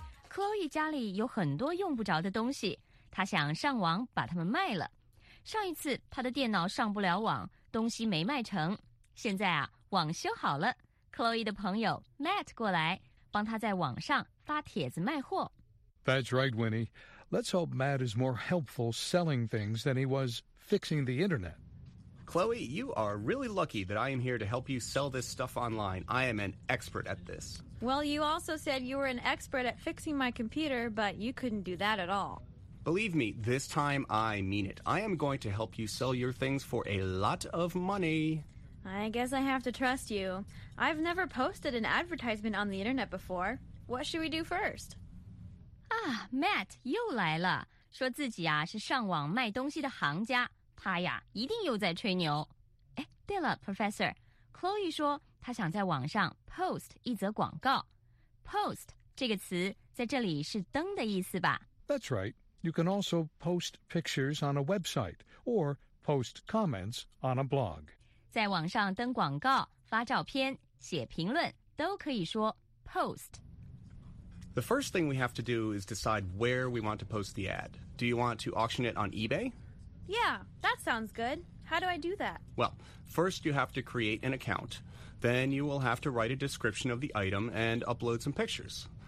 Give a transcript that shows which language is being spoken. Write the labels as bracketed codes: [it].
[zh] Chloe 家里有很多用不着的东西，她想上网把它们卖了。上一次她的电脑上不了网，东西没卖成，现在啊网修好了， Chloe 的朋友 Matt 过来帮她在网上发帖子卖货。 [en] That's right, Winnie. Let's hope Matt is more helpful selling things than he was fixing the internet. Chloe, you are really lucky that I am here to help you sell this stuff online. I am an expert at this. Well, you also said you were an expert at fixing my computer, but you couldn't do that at all. Believe me, this time I mean it. I am going to help you sell your things for a lot of money. I guess I have to trust you. I've never posted an advertisement on the internet before. What should we do first? [zh] Matt 又来了，说自己啊是上网卖东西的行家，他呀一定又在吹牛。哎，对了 ，Professor， Chloe 说他想在网上 post 一则广告。 Post 这个词在这里是登的意思吧 [en] ？That's right. You can also post pictures on a website or post comments on a blog. [zh] 在网上登广告、发照片、写评论都可以说 post。 [en] The first thing we have to do is decide where we want to post the ad. Do you want to auction it on eBay? Yeah, that sounds good. How do I do that? Well, first you have to create an account. Then you will have to write a description of the item and upload some pictures.